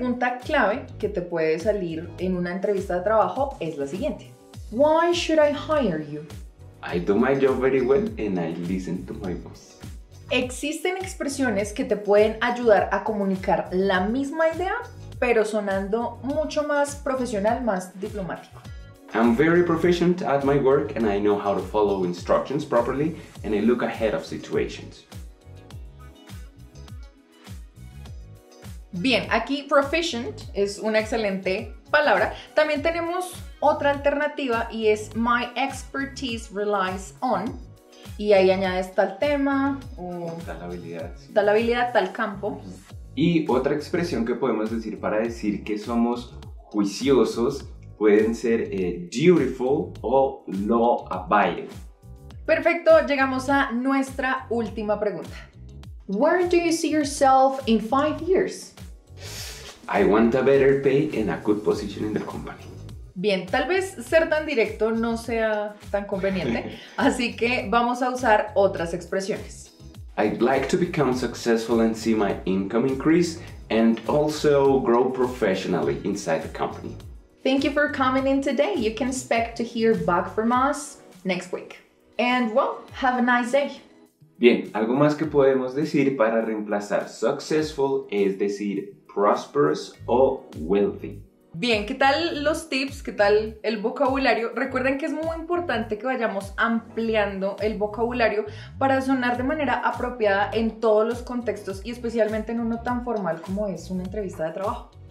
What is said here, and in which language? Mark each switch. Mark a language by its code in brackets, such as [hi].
[es] Pregunta clave que te puede salir en una entrevista de trabajo es la siguiente. [en] Why should I hire you? I do my job very well and I listen to my boss. [es] Existen expresiones que te pueden ayudar a comunicar la misma idea, pero sonando mucho más profesional, más diplomático. [en] I'm very proficient at my work and I know how to follow instructions properly and I look ahead of situations. [es] Bien, aquí proficient es una excelente palabra. También tenemos otra alternativa y es [en] my expertise relies on. [es] Y ahí añades tal tema o tal habilidad. Sí. Tal habilidad, tal campo. Y otra expresión que podemos decir para decir que somos juiciosos pueden ser dutiful o law abiding. Perfecto, llegamos a nuestra última pregunta. [en] Where do you see yourself in 5 years? I want a better pay and a good position in the company. [es] Bien, tal vez ser tan directo no sea tan conveniente, así que vamos a usar otras expresiones. [en] I'd like to become successful and see my income increase and also grow professionally inside the company. Thank you for coming in today. You can expect to hear back from us next week. And well, have a nice day. [es] Bien, algo más que podemos decir para reemplazar successful es decir prosperous o wealthy. Bien, ¿qué tal los tips? ¿Qué tal el vocabulario? Recuerden que es muy importante que vayamos ampliando el vocabulario para sonar de manera apropiada en todos los contextos y especialmente en uno tan formal como es una entrevista de trabajo.